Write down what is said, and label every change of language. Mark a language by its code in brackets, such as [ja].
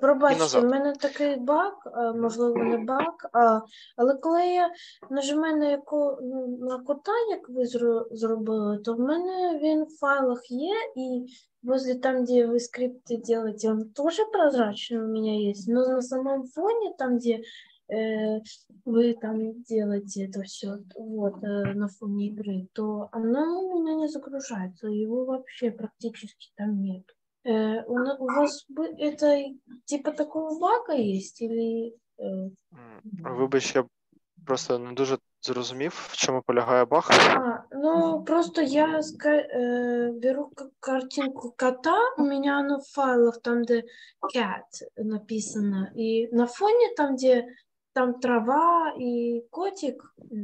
[uk] Пробачте, у мене такий баг, можливо, не баг, але коли я нажимаю на кота, як ви зробили, то в мене він в файлах є, і возле там, де ви скрипти робите, він теж прозрачний у мене є. Але на самому фоні, там, де ви там робите це все, вот, на фоні гри, то воно у мене не загружається, його взагалі практично там немає. [ru] У вас это типа такого бага есть или [uk] вибач, я просто не дуже зрозумів, в чому полягає баг. Ну просто я беру картинку кота, у мене оно в файлах там, де cat написано, і на фоні там, де там трава і котик.